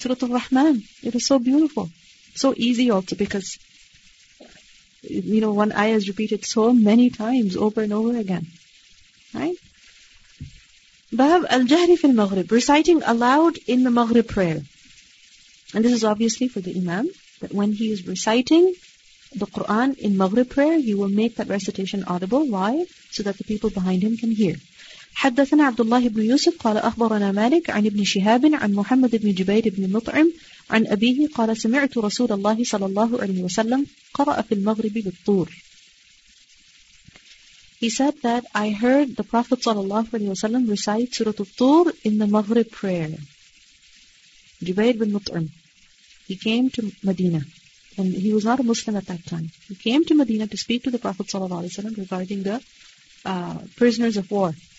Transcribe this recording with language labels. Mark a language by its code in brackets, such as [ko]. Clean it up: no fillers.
[en] Surah Al-Rahman, it is so beautiful. So easy also because, one ayah is repeated so many times over and over again. Right? [ar] Bab Al-Jahri fil Maghrib, [en] reciting aloud in the Maghrib prayer. And this is obviously for the Imam, that when he is reciting the Quran in Maghrib prayer, he will make that recitation audible. Why? So that the people behind him can hear. [ar] حدثنا عبد الله بن يوسف قال أخبرنا مالك عن ابن شهاب عن محمد بن جبير بن مطعم عن أبيه قال سمعت رسول الله صلى الله عليه وسلم قرأ في المغرب بالطور. [en] He said that I heard the Prophet صلى الله عليه وسلم recite Surah Al-Tur in the Maghrib prayer. Jubair bin Mut'im, he came to Medina, and he was not a Muslim at that time. He came to Medina to speak to the Prophet صلى الله عليه وسلم regarding the prisoners of war.